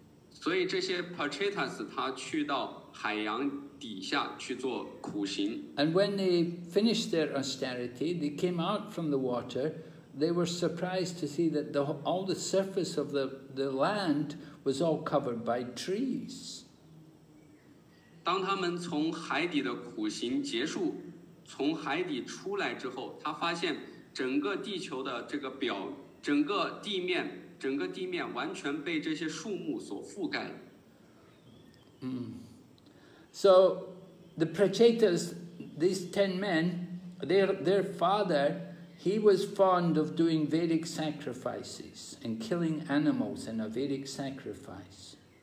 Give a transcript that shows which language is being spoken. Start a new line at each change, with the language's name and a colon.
Chinese: 所以这些 Prachetas 他去到海洋底下去做苦行。
English: And when they finished their austerity, they came out from the water. They were surprised to see that all the surface of the land was all covered by trees.
Chinese: 当他们从海底的苦行结束，从海底出来之后，他发现整个地球的这个表，整个地面完全被这些树木所覆盖了。
English: So the Prachetas, these 10 men, their father, he was fond of doing Vedic sacrifices and killing animals in a Vedic sacrifice.